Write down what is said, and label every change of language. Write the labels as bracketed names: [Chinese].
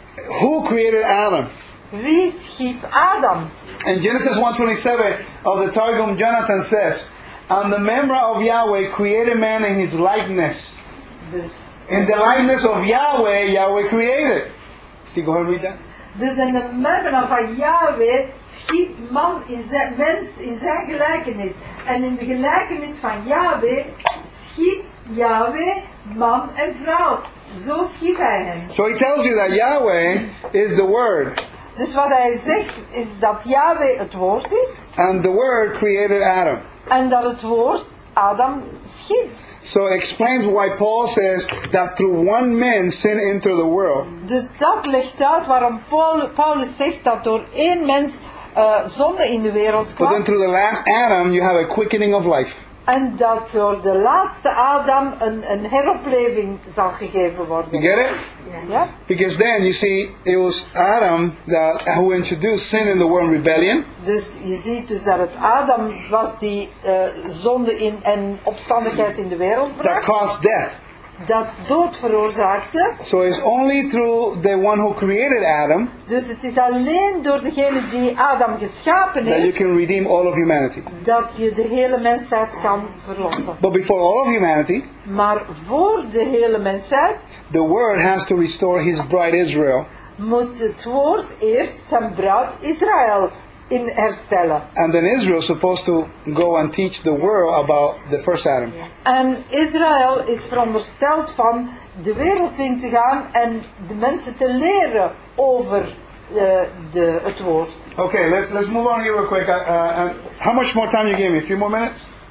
[English] Who created Adam? [Dutch] Wie schiep Adam? [English] In Genesis 1:27 of the Targum, Jonathan says, and the member of Yahweh created man in his likeness. In the likeness of Yahweh, Yahweh created. See, go ahead and read that. [Dutch] Dus in de member van Yahweh schiep man in zijn mens in zijn gelijkenis. En in de gelijkenis van Yahweh schiep Yahweh man en vrouw. Zo schiep hij hen. [English] So he tells you that Yahweh is the word. [Dutch] Dus wat hij zegt is dat Yahweh het woord is. [English] And the word created Adam. [Dutch] En dat het woord Adam schiep. [English] So it explains why Paul says that through one man sin entered the world. [Dutch] Dus dat legt uit waarom Paulus zegt dat door één mens zonde in de wereld kwam. [English] But then through the last Adam you have a quickening of life. [Dutch] En dat door de laatste Adam een heropleving zal gegeven worden. [English] You get it? Yeah. Because then you see it was Adam that who introduced sin in the world and rebellion. [Dutch] Dus je ziet dus dat het Adam was die zonde in en opstandigheid in de wereld bracht. [English] That caused death. [Dutch] Dat dood veroorzaakte. [English] So it's only through the one who created Adam. [Dutch] Dus het is alleen door degene die Adam geschapen heeft. [English] That you can redeem all of humanity. [Dutch] Dat je de hele mensheid kan verlossen. [English] But before all of humanity. [Dutch] Maar voor de hele mensheid. [English] The word has to restore his bride Israel. [Dutch] Moet het woord eerst zijn bruid Israël in herstellen. [English] And then Israel is supposed to go and teach the world about the first Adam. [Dutch] En Israël is verondersteld van de wereld in te gaan en de mensen te leren over het woord. [English] Okay, let's move on here real quick. How much more time you gave me? A few more minutes?